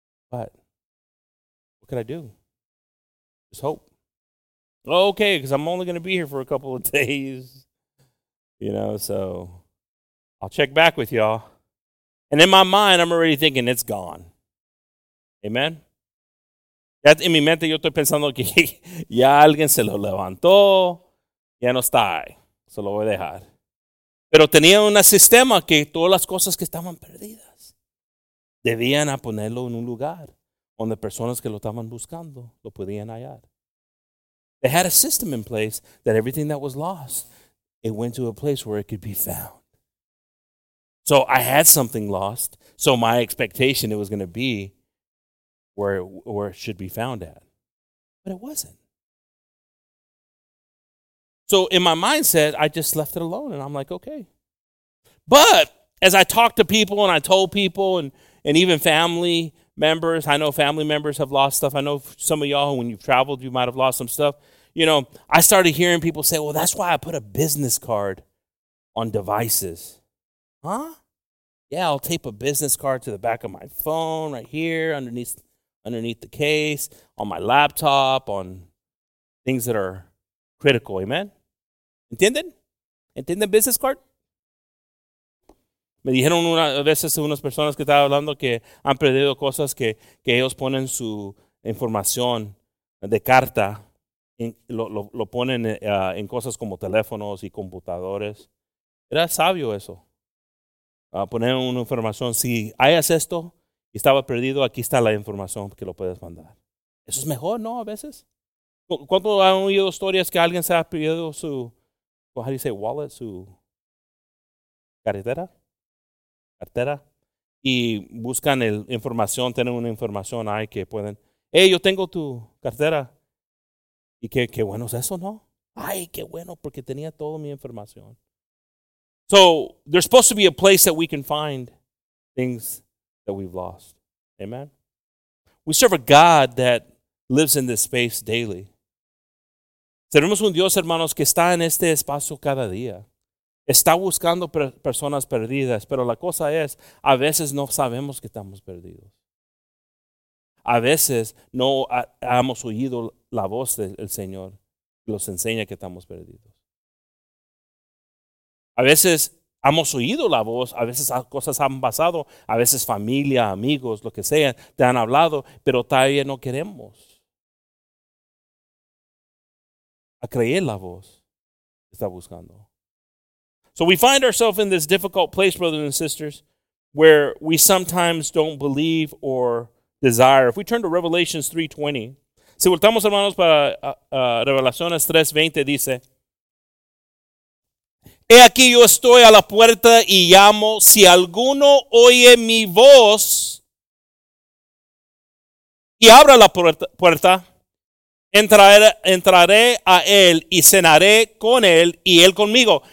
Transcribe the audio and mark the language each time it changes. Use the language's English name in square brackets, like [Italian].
[English] But what can I do? Just hope. Okay, because I'm only going to be here for a couple of days. You know, so I'll check back with y'all. And in my mind, I'm already thinking it's gone. Amen. [Spanish] Ya en mi mente yo estoy pensando que ya alguien se lo levantó, ya no está ahí, se lo voy a dejar. Pero tenía un sistema que todas las cosas que estaban perdidas debían a ponerlo en un lugar donde personas que lo estaban buscando lo podían hallar. [English] They had a system in place that everything that was lost, it went to a place where it could be found. So I had something lost, so my expectation it was going to be where it should be found at. But it wasn't. So in my mindset, I just left it alone, and I'm like, okay. But as I talked to people and I told people and even family members, I know family members have lost stuff. I know some of y'all, when you've traveled, you might have lost some stuff. You know, I started hearing people say, well, that's why I put a business card on devices. Huh? Yeah, I'll tape a business card to the back of my phone right here underneath. Underneath the case, on my laptop, on things that are critical. [Spanish] Amen? ¿Entienden? ¿Entienden business card? Me dijeron una vez unas personas que estaba hablando que han perdido cosas que ellos ponen su información de carta, lo ponen en cosas como teléfonos y computadores. Era sabio eso. Poner una información. Si hayas esto. Y estaba perdido, aquí está la información que lo puedes mandar. Eso es mejor, ¿no? A veces. ¿Cuánto han oído historias que alguien se ha perdido su, [English] how do you say, wallet, [Spanish] su cartera? Cartera. Y buscan la información, tienen una información ahí que pueden. Hey, yo tengo tu cartera. Y qué bueno es eso, ¿no? Ay, qué bueno, porque tenía toda mi información. [English] So, there's supposed to be a place that we can find things that we've lost. Amen. We serve a God that lives in this space daily. [Spanish] Servimos un Dios, hermanos, que está en este espacio cada día. Está buscando personas perdidas, pero la cosa es, a veces no sabemos que estamos perdidos. A veces no hemos oído la voz del Señor que nos enseña que estamos perdidos. A veces hemos oído la voz, a veces cosas han pasado, a veces familia, amigos, lo que sea, te han hablado, pero todavía no queremos a creer la voz que está buscando. [English] So we find ourselves in this difficult place, brothers and sisters, where we sometimes don't believe or desire. If we turn to Revelation 3:20, [Spanish] si voltamos, hermanos, para Revelaciones 3:20, dice: He aquí yo estoy a la puerta y llamo. Si alguno oye mi voz y abre la puerta, entraré a él y cenaré con él y él conmigo.